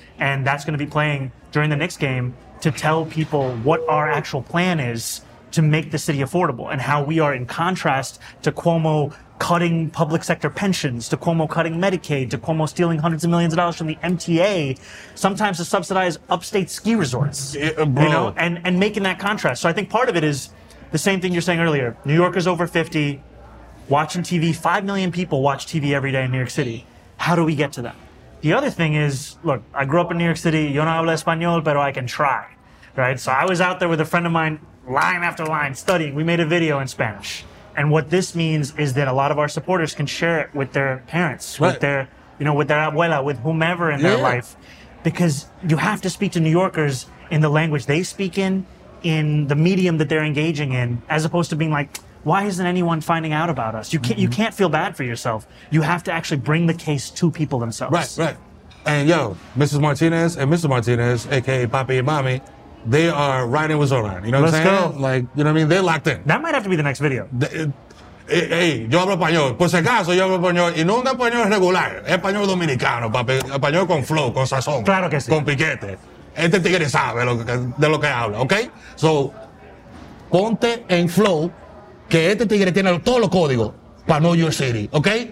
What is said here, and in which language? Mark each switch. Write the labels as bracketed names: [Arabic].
[English] And that's going to be playing during the Knicks game to tell people what our actual plan is to make the city affordable and how we are in contrast to Cuomo cutting public sector pensions, to Cuomo cutting Medicaid, to Cuomo stealing hundreds of millions of dollars from the MTA, sometimes to subsidize upstate ski resorts, bro. You know, and making that contrast. So I think part of it is the same thing you're saying earlier. New Yorkers over 50 watching TV, 5 million people watch TV every day in New York City. How do we get to that? The other thing is, look, I grew up in New York City. [Spanish] Yo no hablo español, pero [English] I can try, right? So I was out there with a friend of mine, line after line, studying. We made a video in Spanish. And what this means is that a lot of our supporters can share it with their parents, with their, you know, with their abuela, with whomever in their life. because you have to speak to New Yorkers in the language they speak in the medium that they're engaging in, as opposed to being like, why isn't anyone finding out about us? You can't, mm-hmm. you can't feel bad for yourself. You have to actually bring the case to people themselves. Right, right. And yo, Mrs. Martinez and Mr. Martinez, AKA Papi and Mommy, they are riding with Zoran. You know what Let's I'm saying? Go. Like, you know what I mean? They're locked in. That might have to be the next video. [Spanish] Hey, yo hablo español. Por si acaso, yo hablo español. Y no un español regular. Español dominicano, papi. Español con flow, con sazón. Claro que sí. Con piquete. Este tigre sabe de lo que habla, ¿ok? So, ponte en flow que este tigre tiene todos los códigos para New York City, ¿ok?